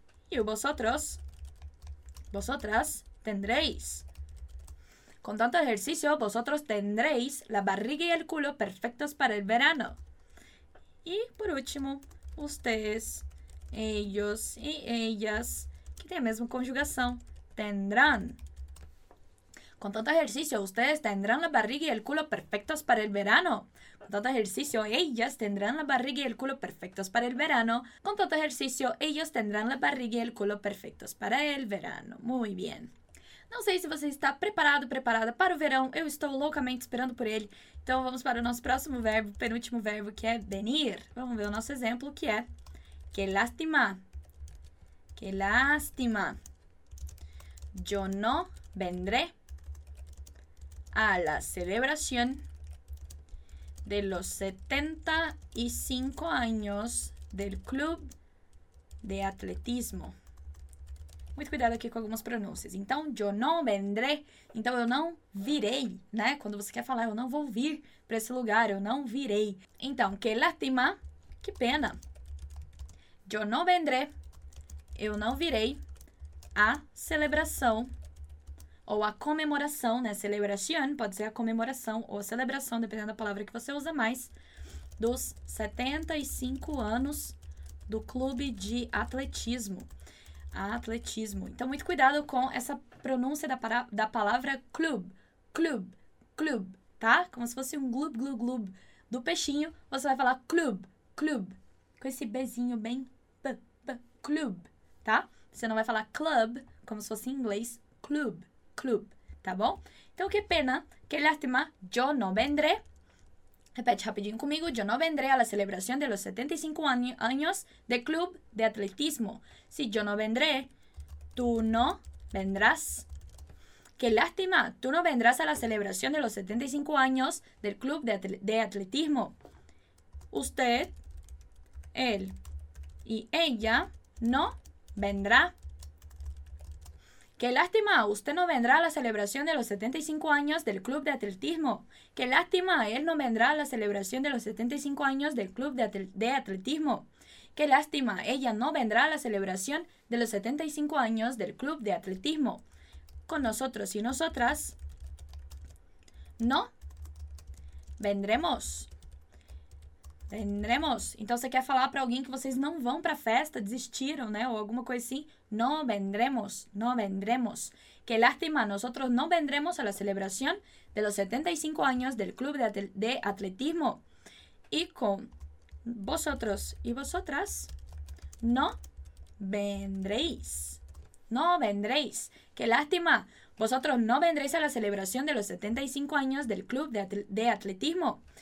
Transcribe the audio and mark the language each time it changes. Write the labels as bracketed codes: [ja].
[es] Y vosotras tendréis. Con tanto ejercicio, vosotros tendréis la barriga y el culo perfectos para el verano. Y por último, ustedes, ellos y ellas, que [pt] tem a mesma conjugação. Tendrán. Com tanto exercício, vocês [es] tendrán la barriga e el culo perfectos para el verano. [pt] Com tanto exercício, [es] ellas tendrán la barriga e el culo perfectos para el verano. [pt] Com tanto exercício, [es] ellos tendrán la barriga e el culo perfectos para el verano. Muy bien. [pt] Não sei se você está preparado, preparada para o verão. Eu estou loucamente esperando por ele. Então vamos para o nosso próximo verbo, penúltimo verbo, que é venir. Vamos ver o nosso exemplo, que é... [es] Que lástima. Que lástima. Yo no vendré a la celebración de los 75 años del club de atletismo. [pt] Muito cuidado aqui com algumas pronúncias. Então, [es] yo no vendré. [pt] Então, eu não virei, né? Quando você quer falar, eu não vou vir para esse lugar, eu não virei. Então, que lástima, que pena. [es] Yo no vendré, [pt] eu não virei, a celebração ou a comemoração, né? Celebración, pode ser a comemoração ou a celebração, dependendo da palavra que você usa mais, dos 75 anos do clube de atletismo. Atletismo. Então, muito cuidado com essa pronúncia da palavra club, club, club, tá? Como se fosse um glub, glub, glub do peixinho, você vai falar club, club, com esse bezinho bem, b, b, club, tá? Você não vai falar club, como se fosse em inglês, club, club, tá bom? Então, que pena, que lástima, [es] yo no vendré. [pt] Repete rapidinho comigo. [es] Yo no vendré a la celebración de los 75 años de club de atletismo. Si yo no vendré, tú no vendrás. Qué lástima, tú no vendrás a la celebración de los 75 años del club de atletismo. Usted, él y ella no vendrá. Qué lástima, usted no vendrá a la celebración de los 75 años del club de atletismo. Qué lástima, él no vendrá a la celebración de los 75 años del club de atletismo. Qué lástima, ella no vendrá a la celebración de los 75 años del club de atletismo. Con nosotros y nosotras, no vendremos. Vendremos. [pt] Então, você quer falar para alguém que vocês não vão para a festa, desistiram, né? Ou alguma coisa assim. [es] No vendremos. No vendremos. Que lástima. Nosotros no vendremos a la celebración de los 75 años del club de atletismo. Y con vosotros y vosotras, no vendréis. No vendréis. Que lástima. Vosotros no vendréis a la celebración de los 75 años del club de atletismo.